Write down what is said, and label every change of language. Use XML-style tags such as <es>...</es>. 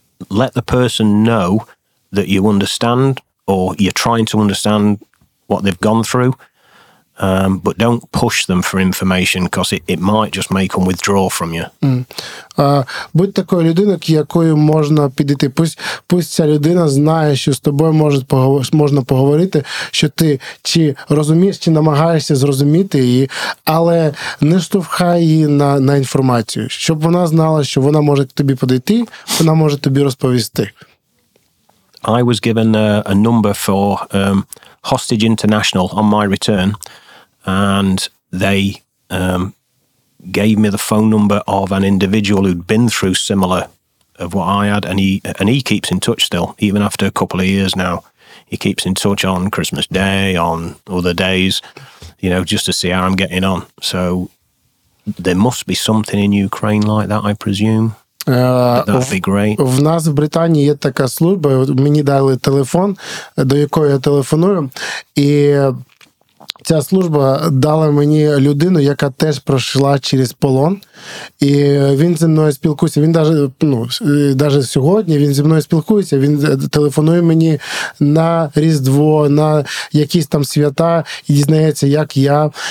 <en>Let the person know that you understand, or you're trying to understand what they've gone through. But don't push them for information, because it might just make them withdraw from you.</en> <uk>Будь такою людиною, якою можна підійти. Пусть ця людина знає, що з тобою можна поговорити, що ти чи розумієш, чи намагаєшся зрозуміти її, але не штовхай її на інформацію, щоб вона знала, що вона може тобі підійти, вона може тобі розповісти.</uk> <en>I was given a number for Hostage International on my return. And they gave me the phone number of an individual who'd been through similar of what I had, and he keeps in touch still, even after a couple of years now. He keeps in touch on Christmas Day, on other days, you know, just to see how I'm getting on. So there must be something in Ukraine like that, I presume.</en> <uk>В нас в Британії є така служба, мені дали телефон, до якої я телефоную, і... Ця служба дала мені людину, яка теж пройшла через полон, і він зі мною спілкується, він навіть сьогодні він зі мною спілкується, він телефонує мені на Різдво, на якісь там свята, і дізнається, як я.</uk>